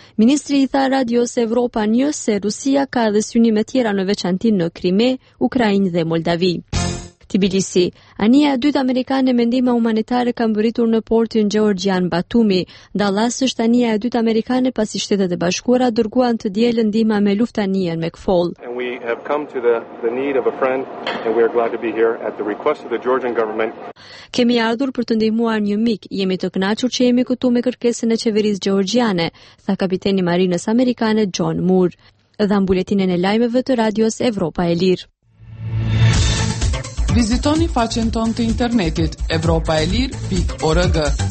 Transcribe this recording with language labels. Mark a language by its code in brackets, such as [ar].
[sq] Ministri i tha radios Evropa një se Rusia ka dhe synime tjera në veçantinë në Krime, Ukrainë dhe Moldavi. Tbilisi. Ania e dytë amerikane me ndihmë humanitare ka mbërritur në portin Gjeorgjian Batumi. Dallas është ania e dytë amerikane pasi Shtetet e Bashkuara dërguan të dielën ndihmë me luftanien me KFOL. [en] And we have come to the need of a friend and we are glad to be here at the request of the Georgian government. [sq] Kemi ardhur për të ndihmuar një mik. Jemi të kënaqur që jemi këtu me kërkesën e qeverisë gjeorgjiane, tha kapiteni Marinës Amerikane John Moore. Dha mbuletinën e lajmeve të radios Evropa e Lirë. Vizitoni faqen tonë të internetit europaelir.org.